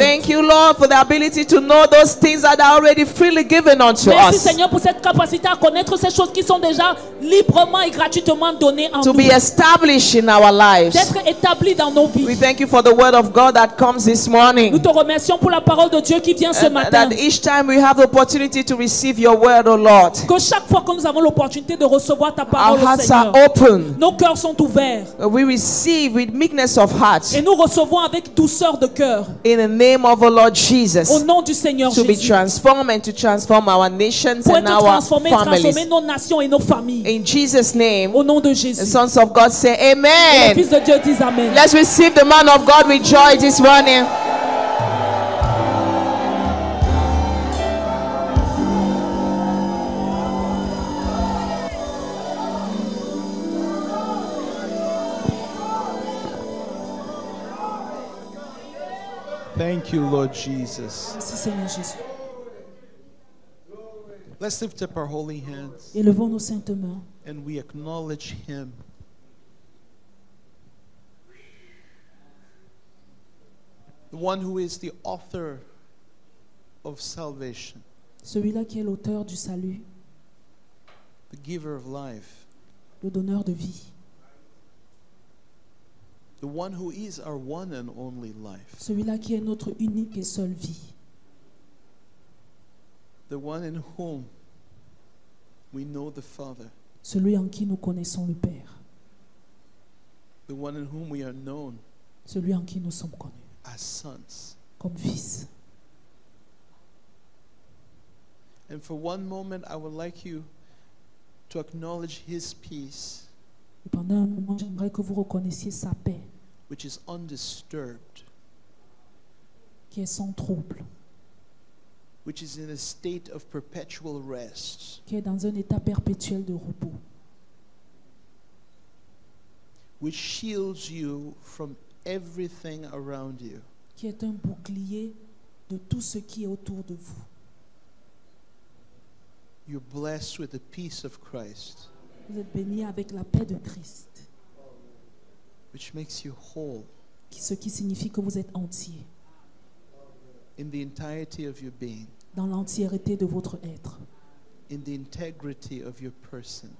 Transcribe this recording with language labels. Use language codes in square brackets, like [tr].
[en] Thank you Lord for the ability to know those things that are already freely given unto us [fr] merci Seigneur pour cette capacité à connaître ces choses qui sont déjà librement et gratuitement données en [en] to [fr] nous. [en] Be established in our lives [fr] d'être établi dans nos vies [en] we thank you for the word of God that comes this morning [fr] nous te remercions pour la parole de Dieu qui vient ce matin [en] that each time we have the opportunity to receive your word oh Lord [fr] que chaque fois que nous avons l'opportunité de recevoir ta parole, [en] our hearts [fr] Seigneur, [en] are open. [fr] Nos cœurs sont ouverts. [en] We receive with meekness of heart. [fr] Et nous recevons avec douceur de cœur. [en] In the name of the Lord Jesus. [fr] Au nom du Seigneur [en] to [fr] Jésus. [en] To be transformed and to transform our nations [fr] pour [en] and our [fr] transformer, [en] families. [fr] Transformer nos nations et nos familles. [en] In Jesus' name. [fr] Au nom de Jésus. [en] The sons of God say Amen. [fr] Et les fils de Dieu disent Amen. [en] Let's receive the man of God with joy this morning. Thank you, Lord Jesus. [fr] Merci, Seigneur Jésus. [en] Let's lift up our holy hands. [fr] Élevons nos saintes mains. [en] And we acknowledge Him. The one who is the author of salvation. [fr] Celui-là qui est l'auteur du salut. [en] The giver of life. [fr] Le donneur de vie. [en] The one who is our one and only life. [fr] Celui-là qui est notre unique et seule vie. [en] The one in whom we know the Father. [fr] Celui en qui nous connaissons le Père. [en] The one in whom we are known. [fr] Celui en qui nous sommes connus. [en] As sons. [fr] Comme fils. [en] And for one moment, I would like you to acknowledge His peace. [fr] Et pendant un moment, j'aimerais que vous reconnaissiez sa paix. [en] Which is undisturbed. [fr] Qui est sans trouble. [en] Which is in a state of perpetual rest. [fr] Qui est dans un état perpétuel de repos. [en] Which shields you from everything around you. [fr] Qui est un bouclier de tout ce qui est autour de vous. [en] You're blessed with the peace of Christ. [fr] Vous êtes béni avec la paix de Christ. [en] Which makes you whole. [fr] Ce qui signifie que vous êtes entier. [en] In the entirety of your being. [fr] Dans l'entièreté de votre être. [en] In the integrity of your person.